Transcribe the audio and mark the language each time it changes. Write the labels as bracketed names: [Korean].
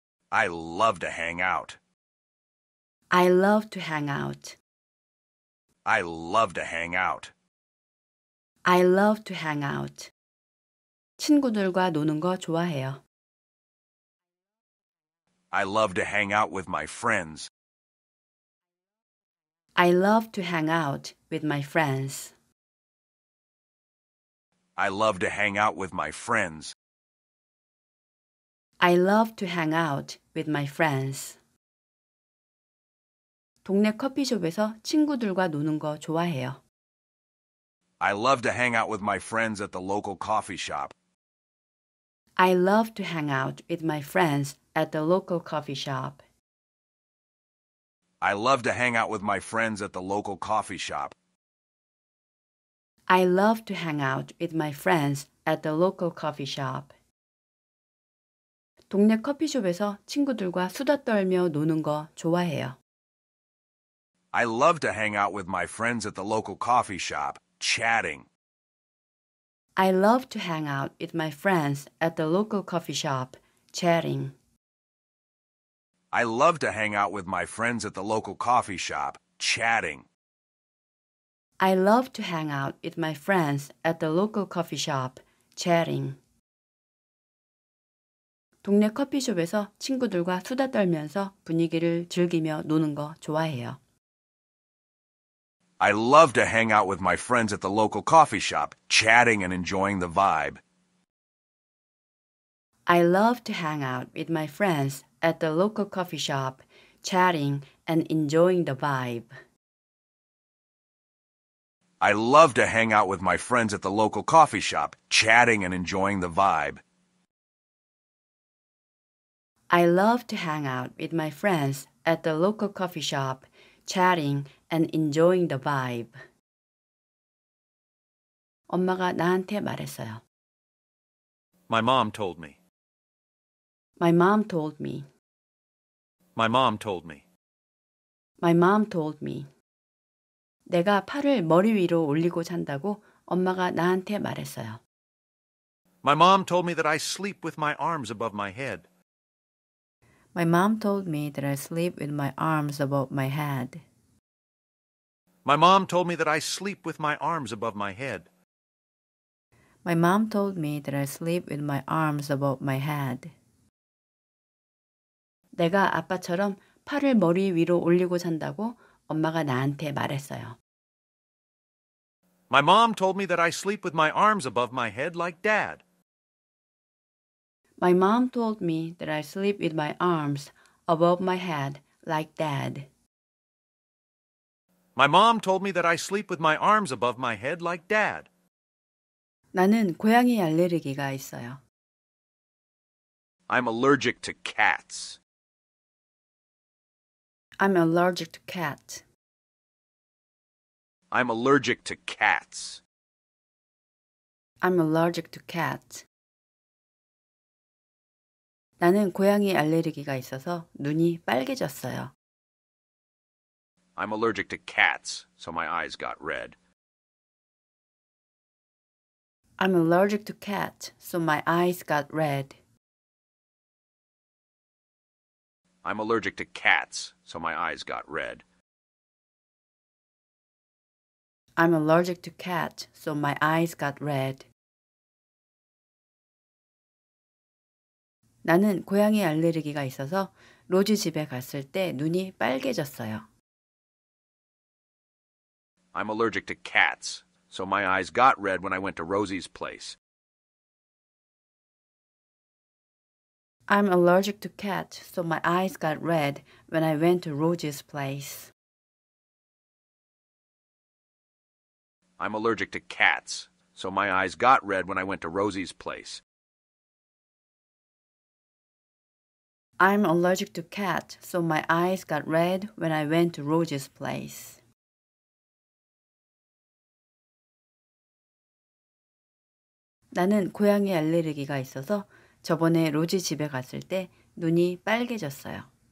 [English] I love to hang out. I love to hang out. I love to hang out. I love to hang out. [Korean] 친구들과 노는 거 좋아해요. [English] I love to hang out with my friends. I love to hang out with my friends. I love to hang out with my friends. I love to hang out with my friends. [Korean] 동네 커피숍에서 친구들과 노는 거 좋아해요. [English] I love to hang out with my friends at the local coffee shop. I love to hang out with my friends at the local coffee shop. I love to hang out with my friends at the local coffee shop. I love to hang out with my friends at the local coffee shop. [Korean] 동네 커피숍에서 친구들과 수다 떨며 노는 거 좋아해요. [English] I love to hang out with my friends at the local coffee shop, chatting. I love to hang out with my friends at the local coffee shop, chatting. I love to hang out with my friends at the local coffee shop, chatting. I love to hang out with my friends at the local coffee shop, chatting. [Korean] 동네 커피숍에서 친구들과 수다 떨면서 분위기를 즐기며 노는 거 좋아해요. [English] I love to hang out with my friends at the local coffee shop, chatting and enjoying the vibe. I love to hang out with my friends at the local coffee shop, chatting and enjoying the vibe. I love to hang out with my friends at the local coffee shop, chatting and enjoying the vibe. I love to hang out with my friends at the local coffee shop, chatting and enjoying the vibe. [Korean] 엄마가 나한테 말했어요. [English] My mom told me. My mom told me. My mom told me. My mom told me. [Korean] 내가 팔을 머리 위로 올리고 잔다고 엄마가 나한테 말했어요. [English] My mom told me that I sleep with my arms above my head. My mom told me that I sleep with my arms above my head. My mom told me that I sleep with my arms above my head. My mom told me that I sleep with my arms above my head. [Korean] 내가 아빠처럼 팔을 머리 위로 올리고 잔다고 엄마가 나한테 말했어요. [English] My mom told me that I sleep with my arms above my head like dad. My mom told me that I sleep with my arms above my head like dad. My mom told me that I sleep with my arms above my head like dad. [Korean] 나는 고양이 알레르기가 있어요. [English] I'm allergic to cats. I'm allergic to cats. I'm allergic to cats. I'm allergic to cats. [Korean] 나는 고양이 알레르기가 있어서 눈이 빨개졌어요. [English] I'm allergic to cats, so my eyes got red. I'm allergic to cats, so my eyes got red. I'm allergic to cats, so my eyes got red. I'm allergic to cats, so my eyes got red. [Korean] 나는 고양이 알레르기가 있어서 로지 집에 갔을 때 눈이 빨개졌어요. [English] I'm allergic to cats, so my eyes got red when I went to Rosy's place. I'm allergic to cats, so my eyes got red when I went to Rosy's place. I'm allergic to cats, so my eyes got red when I went to Rosy's place. I'm allergic to cats, so my eyes got red when I went to Rosy's place. [Korean] 나는 고양이 알레르기가 있어서 저번에 로지 집에 갔을 때 눈이 빨개졌어요.